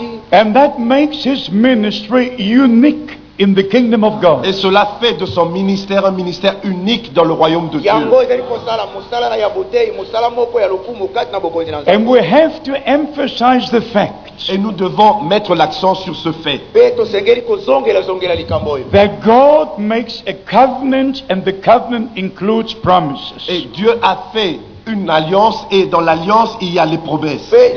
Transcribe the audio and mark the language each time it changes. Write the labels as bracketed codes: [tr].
[en] And that makes his ministry unique in the kingdom of God. [fr] Et cela fait de son ministère un ministère unique dans le royaume de Dieu. [en] And we have to emphasize the fact. [fr] Et nous devons mettre l'accent sur ce fait. [en] That God makes a covenant and the covenant includes promises. [fr] Et Dieu a fait une alliance et dans l'alliance il y a les promesses.